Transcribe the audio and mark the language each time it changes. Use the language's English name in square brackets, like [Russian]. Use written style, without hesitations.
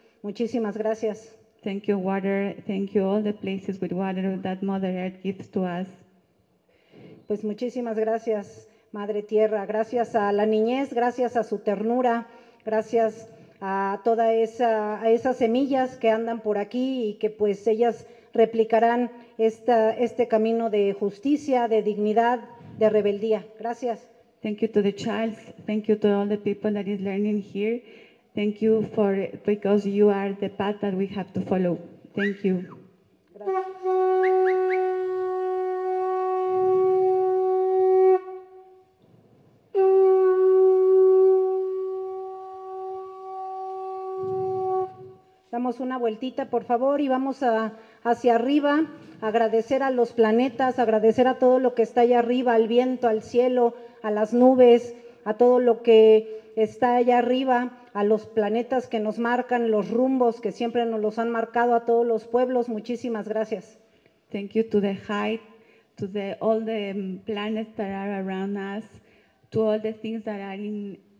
[Spanish] Muchísimas gracias. [English] Thank you, water. Thank you, all the places with water that Mother Earth gives to us. [Spanish] Pues muchísimas gracias, madre tierra. Gracias a la niñez, gracias a su ternura, gracias a toda esa, a esas semillas que andan por aquí y que pues ellas replicarán este camino de justicia, de dignidad, de rebeldía. Gracias. [English] Thank you to the child. Thank you to all the people that is learning here. Thank you for it, because you are the path that we have to follow. Thank you. [Spanish] Gracias. Damos una vueltita, por favor, y vamos hacia arriba. Agradecer a los planetas, agradecer a todo lo que está allá arriba, al viento, al cielo, a las nubes, a todo lo que está allá arriba, a los planetas que nos marcan, los rumbos que siempre nos los han marcado, a todos los pueblos. Muchísimas gracias. [English] Thank you to the height, to the all the planets that are around us, to all the things that are in